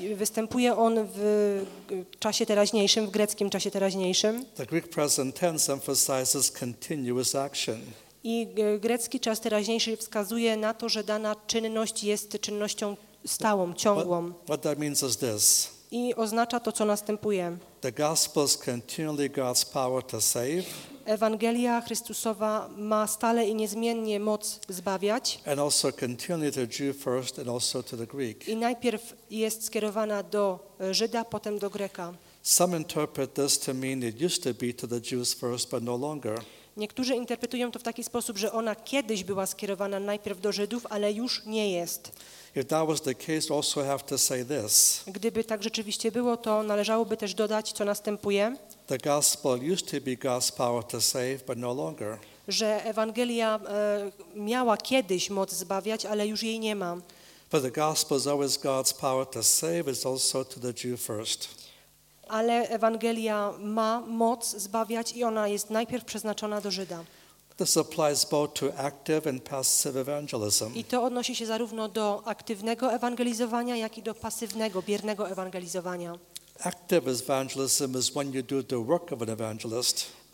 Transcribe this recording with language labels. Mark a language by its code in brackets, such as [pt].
[pl] Występuje on w czasie teraźniejszym, w greckim czasie teraźniejszym. [en] The Greek present tense emphasizes continuous action. [pl] I grecki czas teraźniejszy wskazuje na to, że dana czynność jest czynnością stałą, ciągłą. [en] What that means is this. [pl] I oznacza to, co następuje. [en] The gospel is continually God's power to save. [pl] Ewangelia Chrystusowa ma stale i niezmiennie moc zbawiać. [en] And also continually to Jew first and also to the Greek. [pl] I najpierw jest skierowana do Żyda, potem do Greka. [en] Some interpret this to mean it used to be to the Jews first, but no longer. [pl] Niektórzy interpretują to w taki sposób, że ona kiedyś była skierowana najpierw do Żydów, ale już nie jest. [en] If that was the case, also have to say this. [pl] Gdyby tak rzeczywiście było, to należałoby też dodać, co następuje. [en] The gospel used to be God's power to save, but no longer. [pl] Że Ewangelia miała kiedyś moc zbawiać, ale już jej nie ma. [en] But the gospel is always God's power to save, it's also to the Jew first. [pl] Ale Ewangelia ma moc zbawiać i ona jest najpierw przeznaczona do Żyda. [en] This applies both to active and passive evangelism. [pl] I to odnosi się zarówno do aktywnego ewangelizowania, jak i do pasywnego, biernego ewangelizowania. [en] Active evangelism is when you do the work of an evangelist.